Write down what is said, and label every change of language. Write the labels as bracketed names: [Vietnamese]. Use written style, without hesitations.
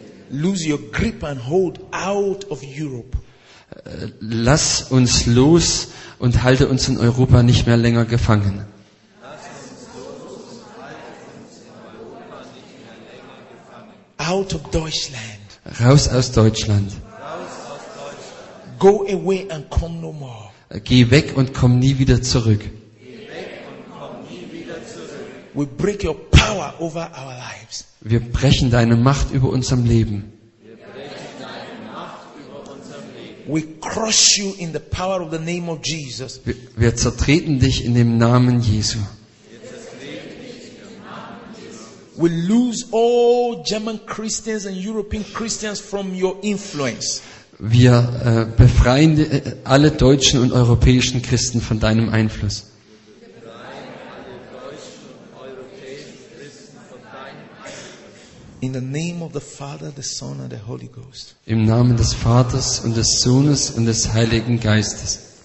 [English] Lose your grip and hold out of Europe. [German] Lass uns los und halte uns in Europa nicht mehr länger gefangen. [English] Out of Deutschland. [German] Raus aus Deutschland. [English] Go away and come no more. [German] Geh weg und komm nie wieder zurück. [English] We break your power over our lives. [German] Wir brechen deine Macht über unserem Leben. [English] We crush you in the power of the name of Jesus. [German] Wir zertreten dich in dem Namen Jesu. [English] We lose all German Christians and European Christians from your influence. [German] Wir befreien alle deutschen und europäischen Christen von deinem Einfluss. [English] In the name of the Father, the Son and the Holy Ghost. [German] Im Namen des Vaters und des Sohnes und des Heiligen Geistes.